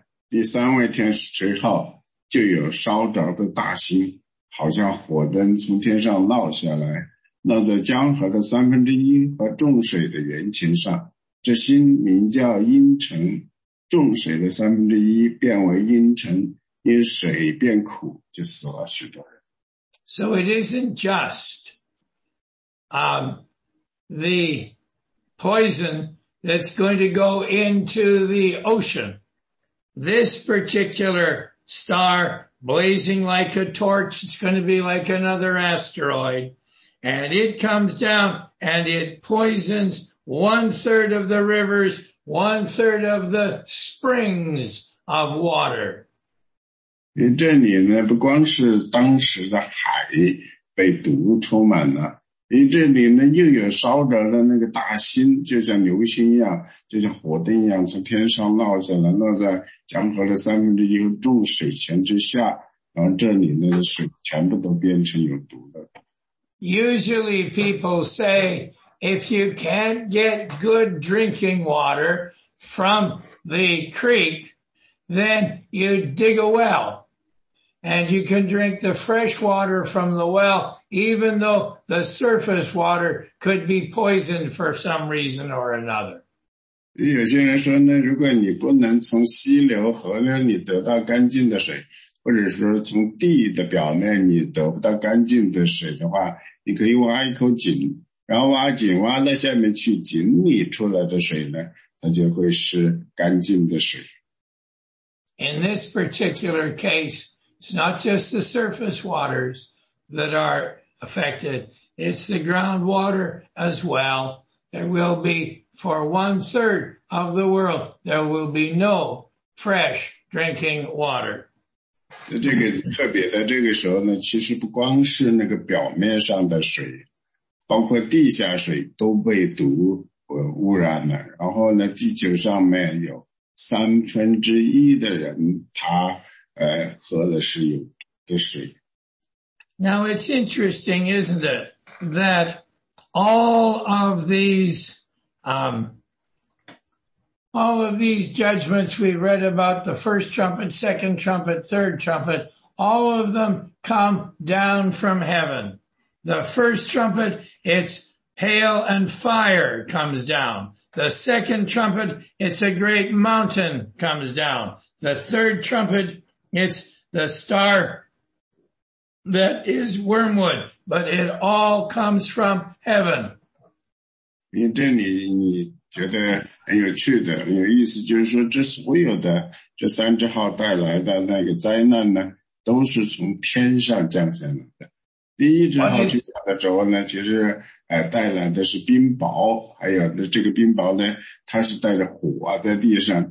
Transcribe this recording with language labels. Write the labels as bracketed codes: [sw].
[zh] 第三位天使吹号，就有烧着的大星，好像火灯从天上落下来，落在江河的三分之一和众水的源泉上。这星名叫阴沉，众水的三分之一变为阴沉，因水变苦，就死了许多人。 [en] So it isn't just, the poison that's going to go into the ocean. This particular star blazing like a torch, it's going to be like another asteroid. And it comes down and it poisons one third of the rivers, one third of the springs of water. [zh] 这里呢，不光是当时的海被毒充满了，因为这里呢又有烧着的那个大星，就像流星一样，就像火灯一样从天上落下来，落在江河的三分之一和众水泉之下，然后这里呢水全部都变成有毒的。 [en] Usually people say, if you can't get good drinking water from the creek, then you dig a well. And you can drink the fresh water from the well, even though the surface water could be poisoned for some reason or another. [zh] 有些人说呢，如果你不能从溪流、河流里得到干净的水，或者说从地的表面你得不到干净的水的话，你可以挖一口井，然后挖井挖到下面去，井里出来的水呢，它就会是干净的水。 [en] In this particular case, it's not just the surface waters that are affected, it's the groundwater as well. There will be, for one third of the world, there will be no fresh drinking water. [zh] 这个特别的这个时候呢，其实不光是那个表面上的水，包括地下水都被毒污染了，然后呢，地球上面有三分之一的人他喝的是有的水。 [en] Now it's interesting, isn't it, that all of these, all of these judgments we read about, the first trumpet, second trumpet, third trumpet, all of them come down from heaven. The first trumpet, it's hail and fire comes down. The second trumpet, it's a great mountain comes down. The third trumpet, it's the star that is wormwood, but it all comes from heaven. [zh] 因为这你觉得很有趣的，有意思就是说这所有的这三只号带来的那个灾难呢，都是从天上降下来的。第一只号去讲的时候呢，其实带来的是冰雹，还有的这个冰雹呢，它是带着火啊在地上。